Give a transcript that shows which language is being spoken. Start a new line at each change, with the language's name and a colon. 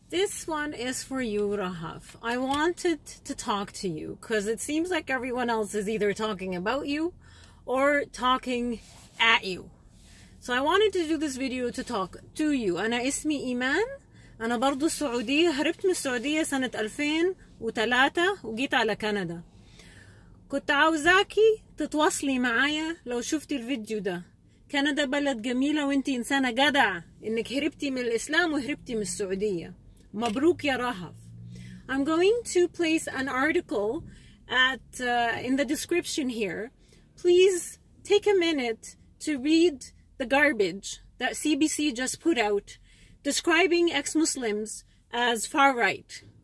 English: This one is for you, Rahaf. I wanted to talk to you because it seems like everyone else is either talking about you or talking at you. So I wanted to do this video to talk to you.
Arabic: أنا اسمي إيمان. أنا برضو سعودية. هربت من السعودية سنة 2003 وجيت على كندا. كنت عاوزاكي تتواصلي معايا لو شفتي الفيديو ده. كندا بلد جميلة وانتي إنسانة جدع إنك هربتي من الإسلام وهربتي من السعودية. Mabruk ya Rahaf.
English: I'm going to place an article at in the description here. Please take a minute to read the garbage that CBC just put out describing ex-Muslims as far right.